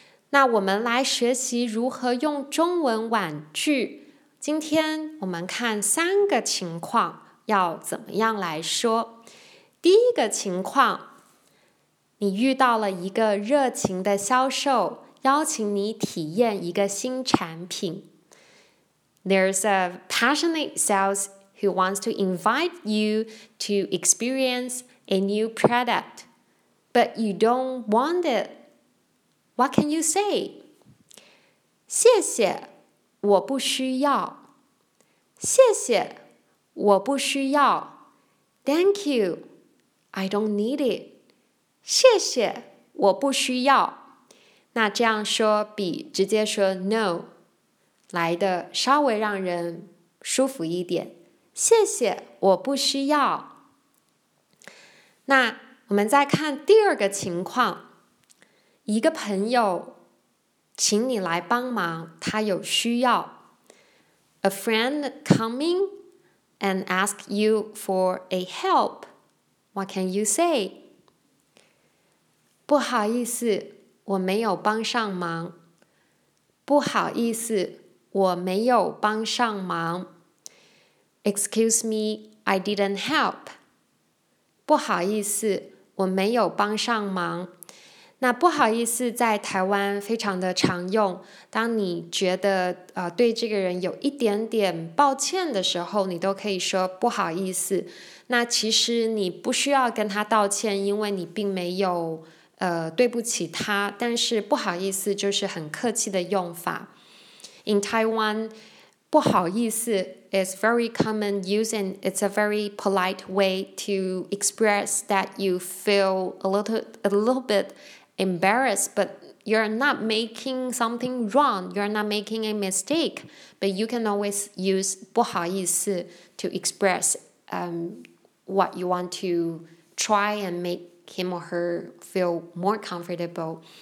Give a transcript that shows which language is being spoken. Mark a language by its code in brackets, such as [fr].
[zh] 那我们来学习如何用中文婉拒。今天我们看三个情况要怎么样来说。第一个情况，你遇到了一个热情的销售，邀请你体验一个新产品。 [en] There's a passionate sales who wants to invite you to experience a new product, but you don't want it. What can you say? [zh] 谢谢，我不需要。谢谢，我不需要。 [en] Thank you, I don't need it. [zh] 谢谢，我不需要。那这样说比直接说 no 来的稍微让人舒服一点。谢谢，我不需要。那我们再看第二个情况，一个朋友请你来帮忙，他有需要。 [en] A friend coming and ask you for a help. What can you say? [zh] 不好意思，我没有帮上忙。不好意思，我没有帮上忙。 [en] Excuse me, I didn't help. [zh] 不好意思，我没有帮上忙。那不好意思在台湾非常的常用，当你觉得对这个人有一点点抱歉的时候，你都可以说不好意思。那其实你不需要跟他道歉，因为你并没有对不起他，但是不好意思就是很客气的用法。 [en] In Taiwan, 不好意思 is very common use, and it's a very polite way to express that you feel a little bit embarrassed, but you're not making something wrong, you're not making a mistake, but you can always use 不好意思 to express what you want to try and make him or her feel more comfortable.